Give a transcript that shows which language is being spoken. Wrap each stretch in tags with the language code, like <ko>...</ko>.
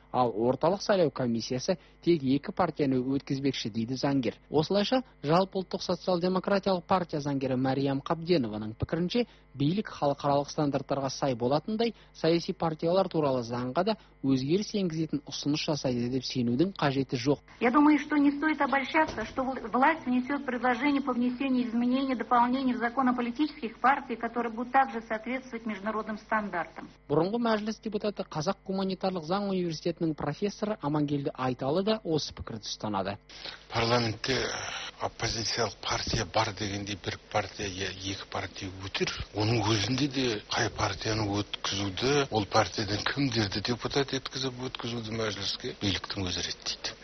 <kk>Ал орталық сайлау комиссиясы тек 2 партияны өткізбекші дейді заңгер. Осылайша, жалпыұлттық социал-демократиялық партия заңгері Мәриям Қабденованың пікірінше, билік халықаралық стандарттарға сай болатындай, саяси партиялар туралы заңға да өзгеріс енгізетін ұсыныс жасайды деп сенудің қажеті жоқ.</kk> <ru>Я думаю, что не стоит обольщаться, что власть внесет предложение по внесению изменений, дополнений в закон о политических партиях, которые будут также соответствовать международным стандартам.</ru> <kk>Бұрынғы мәжіліс депутаты Қазақ гуманитарлық заң университеті университетінің профессоры Амангелді Айталы да осы пікірді ұстанады. Парламентте оппозициялық партия бар дегенде бір партия, екі партия өтір. Оның өзінде де қай партияны өткізуді, ол партиядан кімдерді депутат еткізіп өткізуді мәжіліске биліктің өзі реттейді.</kk>